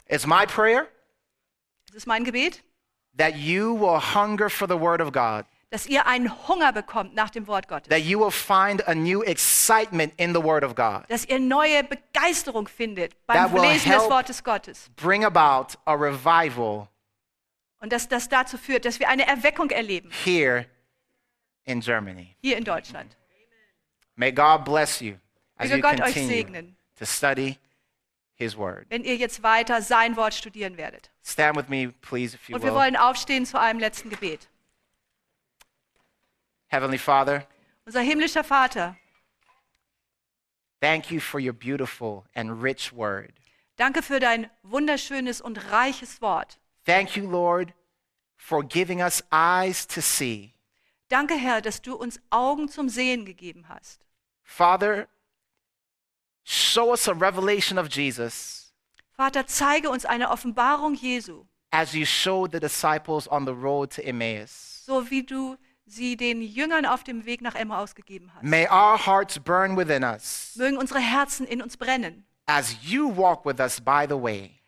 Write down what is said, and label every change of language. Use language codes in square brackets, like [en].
[en] It's my prayer. [de] Es ist mein Gebet. [en] That you will hunger for the word of God. [de] Dass ihr einen Hunger bekommt nach dem Wort Gottes. [en] That you will find a new excitement in the word of God. [de] Dass ihr neue Begeisterung findet beim Lesen des Wortes Gottes. [en] Bring about a revival. [de] Und dass das dazu führt, dass wir eine Erweckung erleben. [en] Here in Germany. [de] Hier in Deutschland. [en] May God bless you as you [de] Gott [en] continue [de] euch segnen, [en] to study his word. [de] Wenn ihr jetzt weiter sein Wort studieren werdet. [en] Stand with me, please, if you [de] und wir [en] will. [de] Wollen aufstehen zu einem letzten Gebet. [en] Heavenly Father, [de] unser himmlischer Vater, [en] thank you for your beautiful and rich word. [de] Danke für dein wunderschönes und reiches Wort. [en] Thank you, Lord, for giving us eyes to see. [de] Danke, Herr, dass du uns Augen zum Sehen gegeben hast. [en] Father, show us a revelation of Jesus. [de] Vater, zeige uns eine Offenbarung Jesu. [en] As you showed the disciples on the road to Emmaus. [de] So wie du sie den Jüngern auf dem Weg nach Emmaus gegeben hast. [en] May our hearts burn within us. [de] Mögen unsere Herzen in uns brennen. [en] As you walk with us by the way.